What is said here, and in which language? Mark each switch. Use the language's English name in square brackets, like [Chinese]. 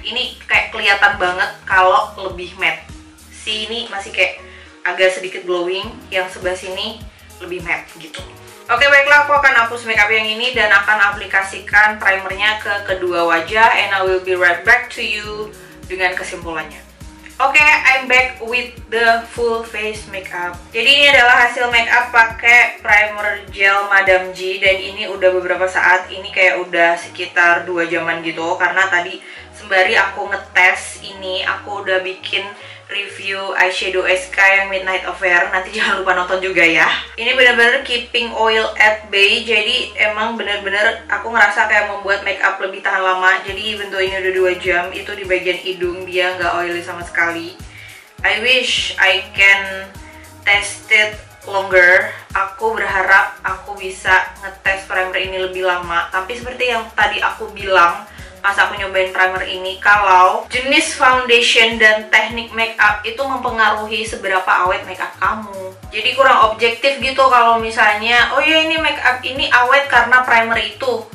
[Indonesian] Ini kayak kelihatan banget kalau lebih matte. Si ini masih kayak agak sedikit glowing, yang sebelah sini lebih matte gitu. Oke, baiklah, aku akan hapus makeup yang ini dan akan aplikasikan primernya ke kedua wajah, [English] and I will be right back to you [Indonesian] dengan kesimpulannya. [English] Oke, okay, I'm back with the full face makeup. [Indonesian] Jadi ini adalah hasil makeup pakai primer gel Madame G. Dan ini udah beberapa saat, ini kayak udah sekitar 2 jaman gitu. Karena tadi sembari aku ngetes ini, aku udah bikin review eyeshadow SK yang Midnight Affair. Nanti jangan lupa nonton juga ya. Ini bener-bener [English] keeping oil at bay. [Indonesian] Jadi emang bener-bener aku ngerasa kayak membuat makeup lebih tahan lama. Jadi bentuk ini udah 2 jam, itu di bagian hidung dia gak oily sama sekali. [English] I wish I can test it longer. [Indonesian] Aku berharap aku bisa ngetes primer ini lebih lama. Tapi seperti yang tadi aku bilang pas aku nyobain primer ini, kalau jenis foundation dan teknik makeup itu mempengaruhi seberapa awet makeup kamu. Jadi kurang objektif gitu kalau misalnya, oh ya ini makeup ini awet karena primer itu.